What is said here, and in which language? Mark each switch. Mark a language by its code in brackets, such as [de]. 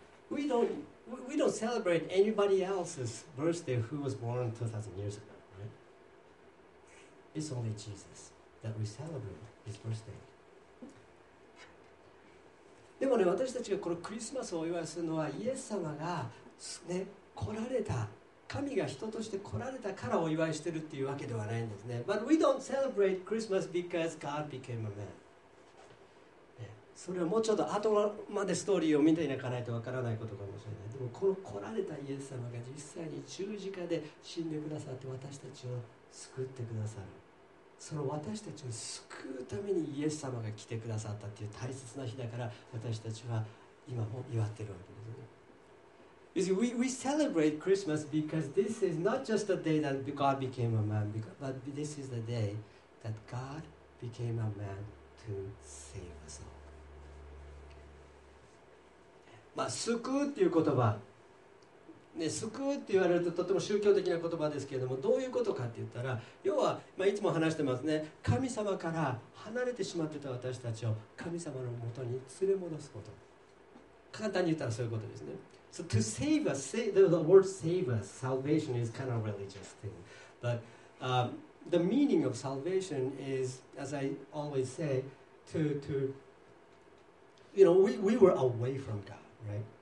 [en] We don't celebrate anybody else's birthday who was born 2,000 years ago, right? It's only Jesus that we celebrate his birthday. [ja] でもね、私たちがこのクリスマスをお祝いするのはイエス様が、ね、来られた、神が人として来られたからお祝いしてるっていうわけではないんですね。 [en] But we don't celebrate Christmas because God became a man. [ja] それはもうちょっと後までストーリーを見ていかないとわからないことかもしれない。でもこの来られたイエス様が実際に十字架で死んでくださって私たちを救ってくださる、その私たちを救うためにイエス様が来てくださったっていう大切な日だから私たちは今も祝ってるわけですね。 [en] You see, we celebrate Christmas because this is not just the day that God became a man, but this is the day that God became a man to save us all. [ja] まあ、救うっていう言葉、ね、救うって言われるととても宗教的な言葉ですけれども、どういうことかって言ったら、要は、まあ、いつも話してますね、神様から離れてしまってた私たちを神様のもとに連れ戻すこと。簡単に言ったらそういうことですね。 [en] So to save us, the word save us, salvation is kind of a religious thing. But、the meaning of salvation is, as I always say, we were away from God, right?